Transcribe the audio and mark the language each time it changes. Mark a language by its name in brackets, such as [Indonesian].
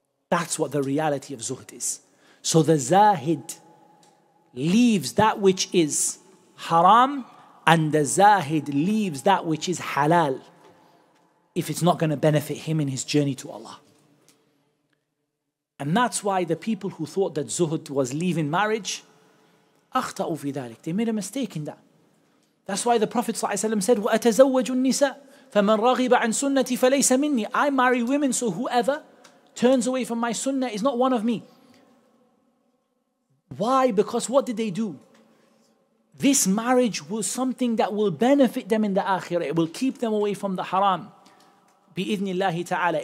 [English] That's what the reality of zuhd is. So the zahid leaves that which is haram, and the zahid leaves that which is halal if it's not going to benefit him in his journey to Allah. And that's why the people who thought that zuhud was leaving marriage, [Arabic] أخطأوا في ذلك. [English] They made a mistake in that. That's why the Prophet ﷺ said, [Arabic] وَأَتَزَوَّجُ النِّسَاءَ فَمَنْ رَغِبَ عَنْ سُنَّتِي فَلَيْسَ مِنِّي. [English] I marry women, so whoever turns away from my sunnah is not one of me. Why? Because what did they do? This marriage was something that will benefit them in the akhirah. It will keep them away from the haram. [Arabic] بِإِذْنِ اللَّهِ تَعَالَى.